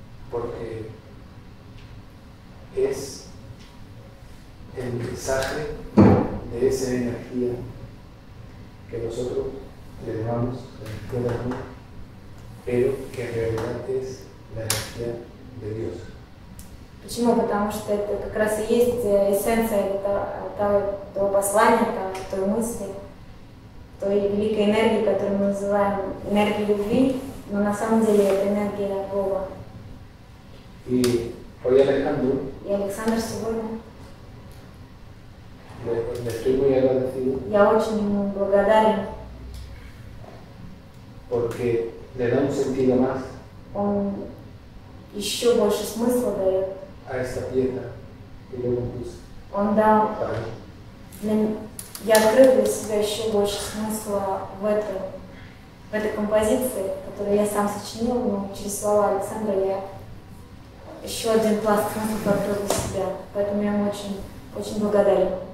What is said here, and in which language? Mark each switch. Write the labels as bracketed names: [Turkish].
[Spanish] Porque es el mensaje de esa energía que nosotros le llamamos energía de amor, pero que en realidad es la energía de Dios. [Russian] Почему? Потому что это как раз и есть эссенция того послания, той мысли, той великой энергии, которую мы называем энергией любви, но на самом деле это энергия Бога. [Spanish] Y hoy Alejandro, y Alexander Segura, le estoy muy agradecido, [Russian] я очень ему благодарен, [Spanish] porque le da un sentido más, [Russian] он еще больше смысла дает, [Spanish] a esta pieza que yo compuse, [Russian] он дал, я открыл для себя еще больше смысла в этой композиции, которую я сам сочинил, но через слова Александра я еще один пласт музыка открыл себя, поэтому я ему очень, очень благодарен.